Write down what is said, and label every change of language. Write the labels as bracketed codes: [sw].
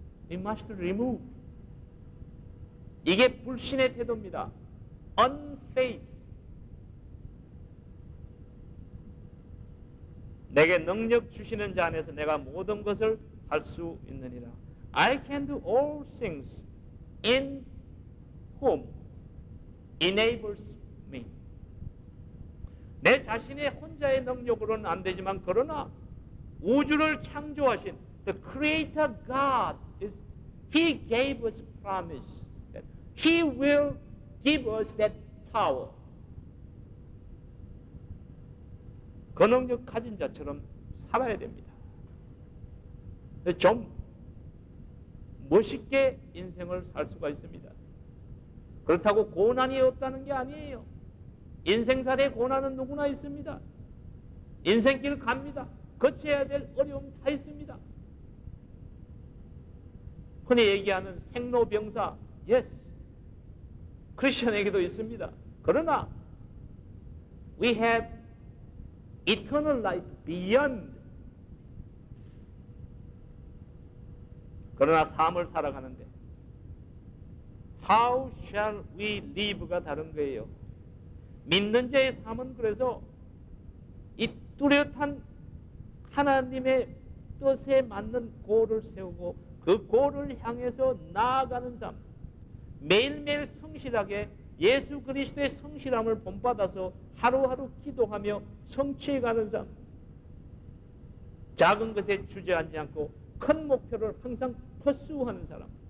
[en] We must remove. [ko] 이게 불신의 태도입니다. [en] Unfaith. [ko] 내게 능력 주시는 자 안에서 내가 모든 것을 할 수 있느니라. [en] I can do all things in whom enables me. [ko] 내 자신의 혼자의 능력으로는 안 되지만 그러나 우주를 창조하신 [en] the creator God is he gave us promise that he will give us that power. [ko] 그 능력 가진 자처럼 살아야 됩니다. 좀 멋있게 인생을 살 수가 있습니다. 그렇다고 고난이 없다는 게 아니에요. 인생살에 고난은 누구나 있습니다. 인생길 갑니다. 거쳐야 될 어려움 다 있습니다. 흔히 얘기하는 생로병사, yes, 크리스천에게도 있습니다. [en] 그러나 we have eternal life beyond. [ko] 그러나 삶을 살아가는데 [en] How shall we live [ko] 가 다른 거예요. 믿는 자의 삶은 그래서 이 뚜렷한 하나님의 뜻에 맞는 골을 세우고 그 골을 향해서 나아가는 삶, 매일매일 성실하게 예수 그리스도의 성실함을 본받아서 하루하루 기도하며 성취해가는 삶, 작은 것에 주저앉지 않고 큰 목표를 항상 퍼수하는 사람,